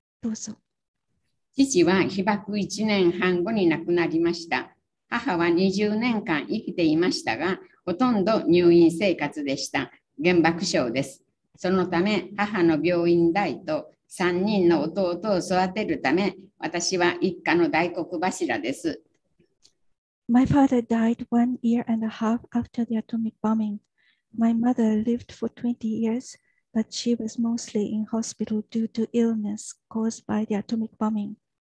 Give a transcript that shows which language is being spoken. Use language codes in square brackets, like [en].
[ja] どうぞ。父は被爆1年半後に亡くなりました。母は20年間生きていましたが、ほとんど入院生活でした。原爆症です。そのため母の病院代と3人の弟を育てるため私は一家の大黒柱です。 [en] My father died 1 year and a half after the atomic bombing. My mother lived for 20 years, but she was mostly in hospital due to illness caused by the atomic bombing.